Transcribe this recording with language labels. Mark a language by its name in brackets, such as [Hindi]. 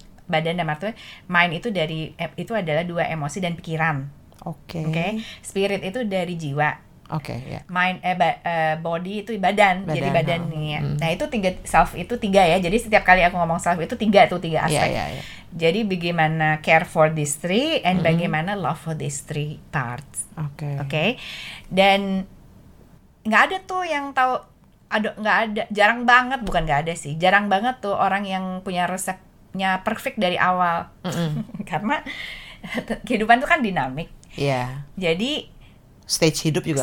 [Indonesian] Badan dan artinya mind itu dari itu adalah dua, emosi dan pikiran. Oke. Spirit itu dari jiwa. Oke. Body itu badan. Jadi badan nih. Nah, itu tiga, self itu tiga ya. Jadi setiap kali aku ngomong self itu tiga aspek. Jadi bagaimana [English] care for these three and [Indonesian] bagaimana [English] love for these three parts. [Indonesian] Oke. Dan enggak ada tuh yang tahu, jarang banget, bukan enggak ada sih. Jarang banget tuh orang yang punya resepnya perfect dari awal. Karena kehidupan tuh kan dinamik. Iya. Jadi stage hidup juga